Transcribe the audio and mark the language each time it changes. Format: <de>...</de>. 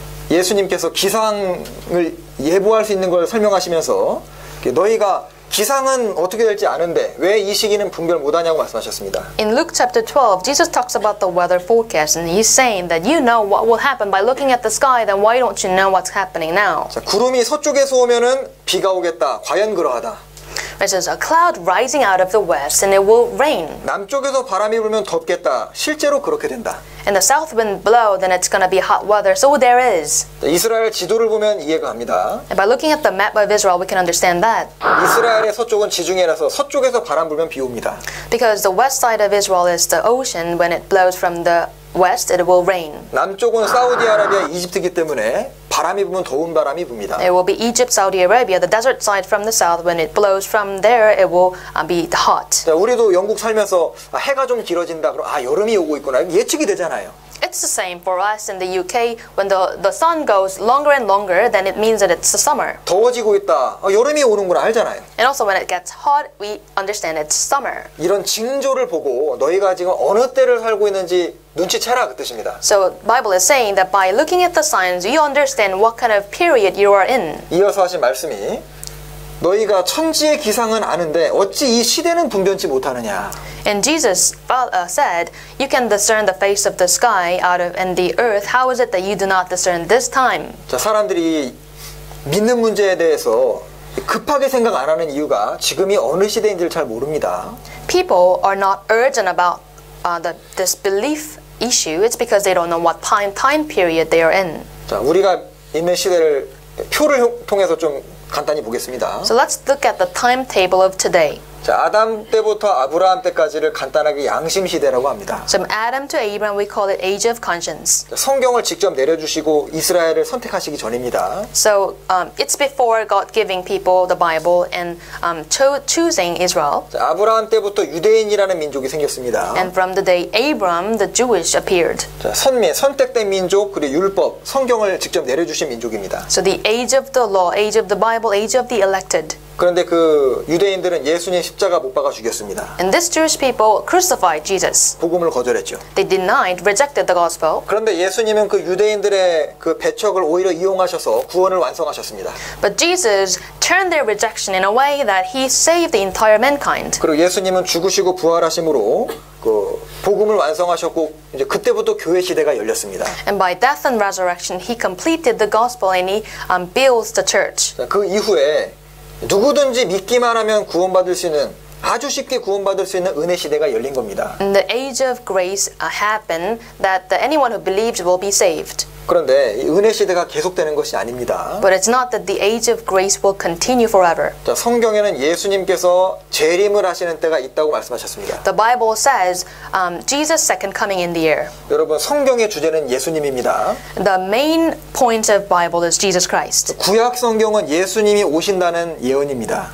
<ko>예수님께서 기상을 예보할 수 있는 걸 설명하시면서 너희가 기상은 어떻게 될지 아는데 왜 이 시기는 분별 못하냐고 말씀하셨습니다.</ko> <en>In Luke chapter 12, Jesus talks about the weather forecast and he's saying that you know what will happen by looking at the sky, then why don't you know what's happening now?</en> <ko>자, 구름이 서쪽에서 오면은 비가 오겠다. 과연 그러하다.</ko> <en>It says a cloud rising out of the west and it will rain.</en> <ko>남쪽에서 바람이 불면 덥겠다. 실제로 그렇게 된다.</ko> <en>And the south wind blow, then it's going to be hot weather. So there is.</en> <ko>이스라엘 지도를 보면 이해가 합니다.</ko> <en>And by looking at the map of Israel, we can understand that.</en> <ko>이스라엘의 서쪽은 지중해라서 서쪽에서 바람 불면 비 옵니다.</ko> <en>Because the west side of Israel is the ocean. When it blows from the west, it will rain.</en> <ko>남쪽은 사우디아라비아, 이집트이기 때문에 바람이 부면 더운 바람이 붑니다.</ko> <en>It will be Egypt, Saudi Arabia, the desert side from the south. When it blows from there, it will be hot.</en> <ko>자, 우리도 영국 살면서 해가 좀 길어진다. 그럼 아 여름이 오고 있구나. 예측이 되잖아요.</ko> <en>It's the same for us in the UK. When the sun goes longer and longer, then it means that it's the summer.</en> <ko>더워지고 있다. 아, 여름이 오는구나 알잖아요.</ko> <en>And also when it gets hot, we understand it's summer.</en> <ko>이런 징조를 보고 너희가 지금 어느 때를 살고 있는지 눈치채라 그 뜻입니다.</ko> <en>So Bible is saying that by looking at the signs, you understand what kind of period you are in.</en> <ko>이어서 하신 말씀이 너희가 천지의 기상은 아는데 어찌 이 시대는 분별치 못하느냐?</ko> <en>And Jesus said, "You can discern the face of the sky out of and the earth. How is it that you do not discern this time?"</en> <ko>자, 사람들이 믿는 문제에 대해서 급하게 생각 안 하는 이유가 지금이 어느 시대인지를 잘 모릅니다.</ko> <en>People are not urgent about this belief issue. It's because they don't know what time period they are in.</en> <ko>자, 우리가 있는 시대를 표를 통해서 좀 간단히 보겠습니다.</ko> <en>So let's look at the timetable of today.</en> <ko>자, 아담 때부터 아브라함 때까지를 간단하게 양심 시대라고 합니다.</ko> <en>So from Adam to Abraham, we call it Age of Conscience.</en> <ko>자, 성경을 직접 내려주시고 이스라엘을 선택하시기 전입니다.</ko> <en>So it's before God giving people the Bible and choosing Israel.</en> <ko>자, 아브라함 때부터 유대인이라는 민족이 생겼습니다.</ko> <en>And from the day Abraham, the Jewish appeared.</en> <ko>자, 선택된 민족 그리고 율법, 성경을 직접 내려주신 민족입니다.</ko> <en>So the Age of the Law, Age of the Bible, Age of the Elected.</en> <ko>그런데 그 유대인들은 예수님 십자가 못 박아 죽였습니다.</ko> <en>And this Jewish people crucified Jesus.</en> <ko>복음을 거절했죠.</ko> <en>They denied, rejected the gospel.</en> <ko>그런데 예수님은 그 유대인들의 그 배척을 오히려 이용하셔서 구원을 완성하셨습니다.</ko> <en>But Jesus turned their rejection in a way that he saved the entire mankind.</en> <ko>그리고 예수님은 죽으시고 부활하심으로 그 복음을 완성하셨고 이제 그때부터 교회 시대가 열렸습니다.</ko> <en>And by death and resurrection he completed the gospel and he builds the church.</en> <ko>그 이후에 누구든지 믿기만 하면 구원받을 수 있는 아주 쉽게 구원받을 수 있는 은혜 시대가 열린 겁니다.</ko> <en>And the age of grace happened that anyone who believes will be saved.</en> <ko>그런데 은혜 시대가 계속되는 것이 아닙니다.</ko> <en>But it's not that the age of grace will continue forever.</en> <ko>자, 성경에는 예수님께서 재림을 하시는 때가 있다고 말씀하셨습니다.</ko> <en>The Bible says Jesus' second coming in the air.</en> <ko>여러분, 성경의 주제는 예수님입니다.</ko> <en>The main point of Bible is Jesus Christ.</en> <ko>구약 성경은 예수님이 오신다는 예언입니다.</ko>